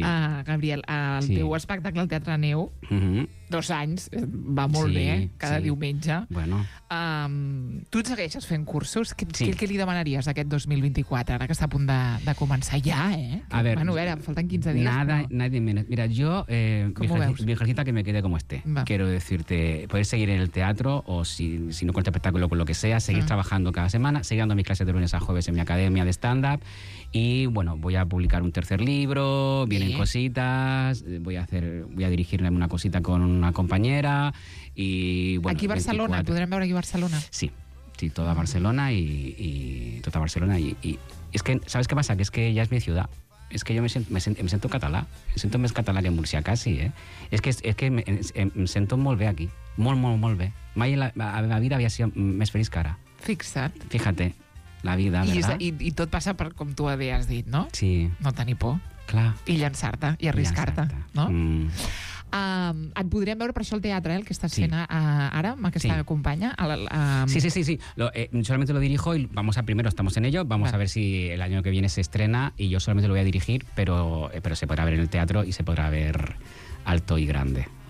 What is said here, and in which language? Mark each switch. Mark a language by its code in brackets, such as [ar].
[ca] Gabriel, el teu espectacle al Teatre Neu, 2 anys, va molt bé, cada diumenge. Bueno. Tu et segueixes fent cursos? Què li demanaries aquest 2024, ara que està a punt de començar ja, eh? A veure, falten 15 dies. [es] Nada, no? Nadie menos. Mira, yo, mi ejercita que me quede como esté. Va. Quiero decirte, poder seguir en el teatro, o si no con el espectáculo, con lo que sea, seguir trabajando cada semana, seguir dando mis clases de lunes a jueves en mi academia de stand-up, y bueno, voy a publicar un tercer libro, vienen cositas, voy a dirigirme una cosita con una compañera y bueno, aquí Barcelona, podrán ver aquí Barcelona. Sí, toda Barcelona y es que ¿sabes qué pasa? Que es que ya es mi ciudad. Es que yo me siento catalán, me siento más catalán que en Murcia casi, ¿eh? Es que me siento muy bien aquí, muy bien. [ca] Mai [es] la vida había sido más feliz que ahora. [ca] Fixa't. [es] Fíjate. La vida, ¿verdad? [ca] I tot passa per com tu havies dit, no? Sí. No tenir por. Clar. I llançar-te, i arriscar-te, no? Et podrem veure per això al teatre, el que estàs fent ara, amb aquesta companya. Sí. [es] Solamente lo dirijo y vamos a primero, estamos en ello. Vamos a ver si el año que viene se estrena y yo solamente lo voy a dirigir, pero se podrá ver en el teatro y se podrá ver alto y grande.